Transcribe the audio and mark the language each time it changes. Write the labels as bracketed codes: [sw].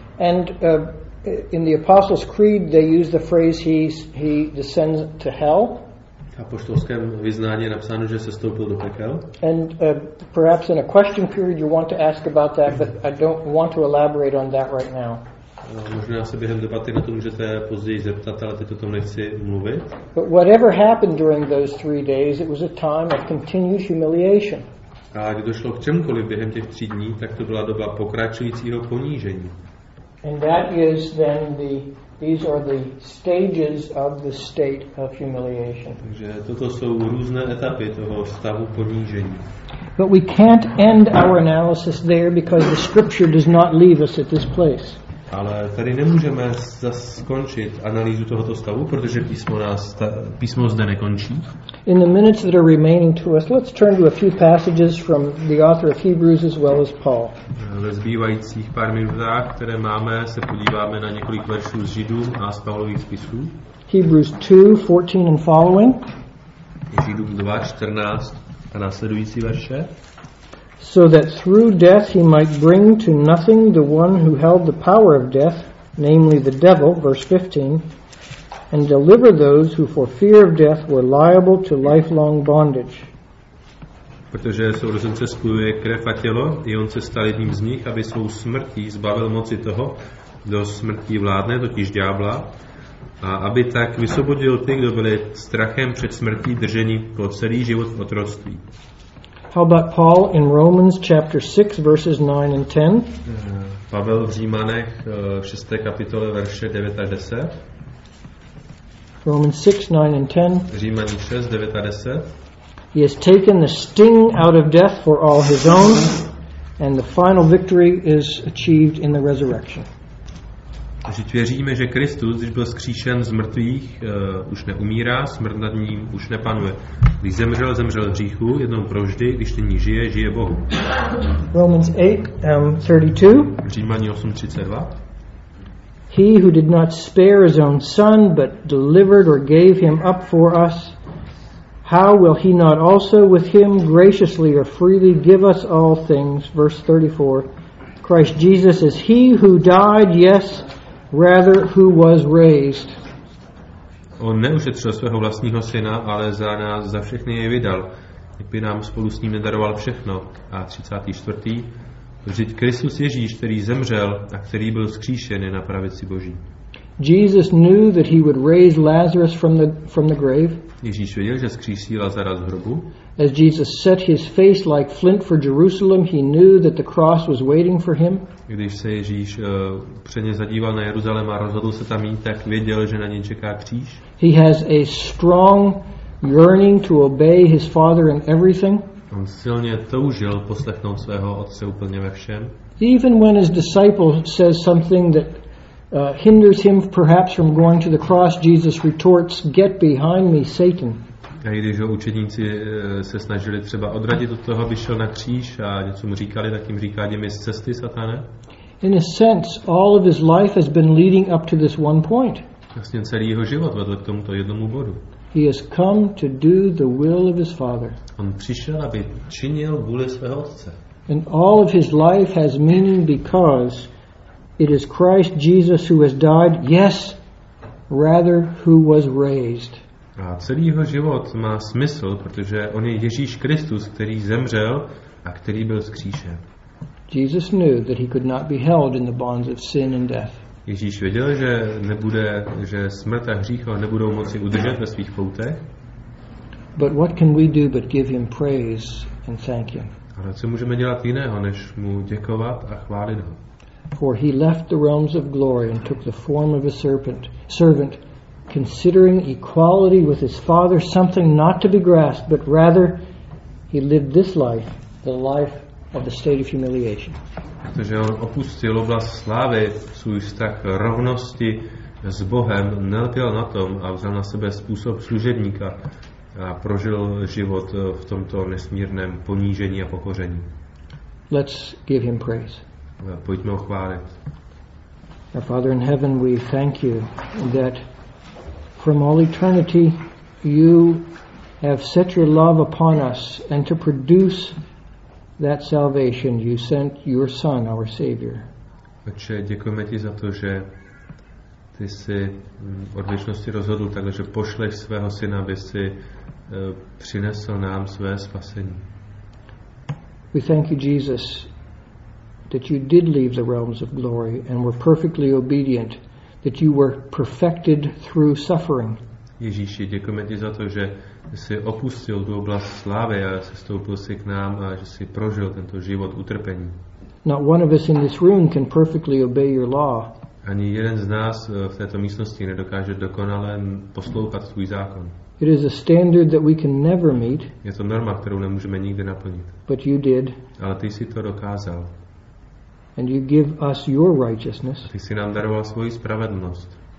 [en] And in the Apostles' Creed they use the phrase he descends to hell. [cs] A apoštolském vyznání je napsáno, že se stoupil do pekel. [en] And perhaps in a question period you want to ask about that, but I don't want to elaborate on that right now. [cs] Možná se během debaty na to můžete později zeptat, ale teď o tom nechci mluvit. [en] But whatever happened during those 3 days, it was a time of continuous humiliation. [cs] A když došlo k čemkoliv během těch 3 dní, tak to byla doba pokračujícího ponížení. [en] And that is then these are the stages of the state of humiliation. [cs] Takže toto jsou různé etapy toho stavu ponížení. [en] But we can't end our analysis there because the scripture does not leave us at this place. [cs] Ale tady nemůžeme skončit analýzu tohoto stavu, protože písmo zde nekončí. [en] In the minutes that are remaining to us, let's turn to a few passages from the author of Hebrews as well as Paul. [cs] Ve zbývajících pár minutách, které máme, se podíváme na několik veršů z Židů a z Pavlových spisů. [en] Hebrews 2:14 and following. [cs] Židům 2:14 a následující verše. [en] So that through death he might bring to nothing the one who held the power of death, namely the devil, verse 15, and deliver those who for fear of death were liable to lifelong bondage. [cs] Protože sourozence spojuje krev a tělo, i on se stal jedním z nich, aby svou smrtí zbavil moci toho, kdo smrtí vládne, totiž ďábla, a aby tak vysvobodil ty, kdo byli strachem před smrtí drženi po celý život v otroctví. [en] How about Paul in Romans chapter 6 verses 9 and 10? [cs] Pavel v Římanech 6. kapitole verše 9 a 10. [en] Romans 6, 9 and 10. [cs] Římaní 6, 9 a 10. [en] He has taken the sting out of death for all his own, and the final victory is achieved in the resurrection. [cs] Vždyť věříme, že Kristus, když byl zkříšen z mrtvých, už neumírá, smrt nad ním už nepanuje. Když zemřel, zemřel v hříchu, jednou provždy, když nyní žije, žije Bohu. [en] Romans 8:32. [cs] Římaní 8:32. [en] He who did not spare his own son, but delivered or gave him up for us, how will he not also with him graciously or freely give us all things? Verse 34. Christ Jesus is he who died, yes, rather who was raised. [cs] On neušetřil svého vlastního syna, ale za nás za všechny jej vydal, kdyby nám spolu s ním nedaroval všechno. A 34. Vždyť Kristus Ježíš, který zemřel a který byl vzkříšen, je na pravici Boží. [en] Jesus knew that he would raise Lazarus from the grave. [cs] Ježíš věděl, že vzkříší Lazara z hrobu. [en] As Jesus set his face like flint for Jerusalem, he knew that the cross was waiting for him. [cs] Když se Ježíš předně zadíval na Jeruzalém a rozhodl se tam jít, tak věděl, že na něj čeká kříž. [en] He has a strong yearning to obey his father in everything. [cs] On silně toužil poslechnout svého otce úplně ve všem. [en] Even when his disciple says something that hinders him perhaps from going to the cross, Jesus retorts, "Get behind me, Satan." [cs] A když ho učedníci se snažili třeba odradit od toho, aby šel na kříž a něco mu říkali, tak jim říká, jdi mi z cesty, Satane. [en] In a sense, all of his life has been leading up to this one point. [cs] Vlastně celý jeho život vedl k tomuto jednomu bodu. [en] He has come to do the will of his father. [cs] On přišel, aby činil vůli svého otce. [en] And all of his life has meaning because it is Christ Jesus who has died, yes, rather who was raised. [cs] A celý jeho život má smysl, protože on je Ježíš Kristus, který zemřel a který byl zkříšen. [en] Jesus knew that he could not be held in the bonds of sin and death. [cs] Ježíš věděl, že smrt a hřích ho nebudou moci udržet ve svých poutech. [en] But what can we do but give him praise and thank him? [cs] Co můžeme dělat jiného, než mu děkovat a chválit ho? [en] For he left the realms of glory and took the form of a servant, considering equality with his father something not to be grasped, but rather he lived this life, the life of the state of humiliation. [cs] Protože on opustil oblast slávy, svůj vztah rovnosti s Bohem, nelpěl na tom a vzal na sebe způsob služebníka a prožil život v tomto nesmírném ponížení a pokoření. [en] Let's give him praise. [cs] Pojďme ho chválit. [en] Our Father in heaven, we thank you that from all eternity you have set your love upon us, and to produce that salvation you sent your Son, our Savior. [cs] Otče, děkujeme ti za to, že ty jsi od věčnosti rozhodl tak, že pošleš svého Syna, aby si přinesl nám své spasení. [en] We thank you, Jesus, that you did leave the realms of glory and were perfectly obedient, that you were perfected through suffering. [cs] Ježíši, děkujeme ti za to, že jsi opustil tu oblast slávy a sestoupil jsi k nám a že jsi prožil tento život utrpení. [en] Not one of us in this room can perfectly obey your law. [cs] Ani jeden z nás v této místnosti nedokáže dokonale poslouchat tvůj zákon. [en] It is a standard that we can never meet. [cs] Je to norma, kterou nemůžeme nikdy naplnit. [en] But you did. [cs] Ale ty jsi to dokázal. [en] And you give us your righteousness. [cs] Ty jsi nám daroval svoji spravedlnost.